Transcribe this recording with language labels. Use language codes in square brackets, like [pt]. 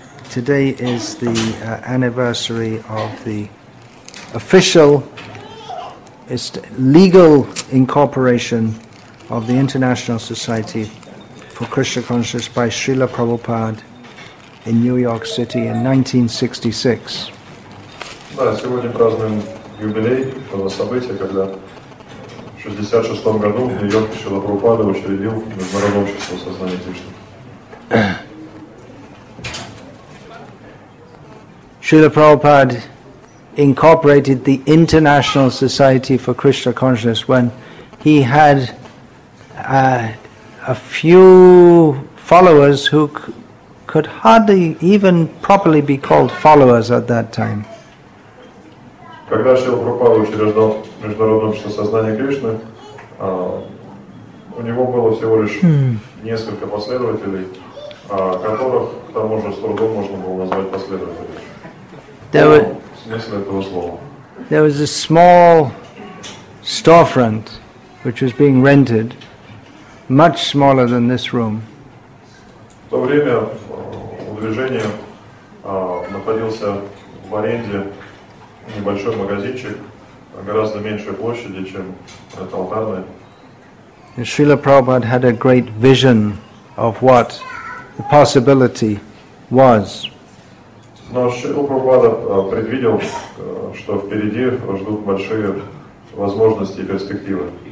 [en] Today is the anniversary of the official legal incorporation of the International Society for Krishna Consciousness by Srila Prabhupada in New York City in 1966. [ru] Да, сегодня празднуем юбилей этого события, когда в 66 году в Нью-Йорке Шрила Прабхупада учредил Международное общество сознания Кришны. [en] Srila Prabhupada incorporated the International Society for Krishna Consciousness when he had a few followers who could hardly even properly be called followers at that time. [ru] Когда Шрила Прабхупада учреждал Международное общество сознания Кришны, у него было всего лишь несколько последователей, которых к тому же с трудом можно было назвать последователями. [en] There was a small storefront which was being rented, much smaller than this room. [ru] В то время у движения находился в аренде небольшой магазинчик, гораздо меньшей площади, чем эта алтарная. [en] Srila Prabhupada had a great vision of what the possibility was. [ru] Но Шрила Прабхупада предвидел, что впереди ждут большие возможности и перспективы.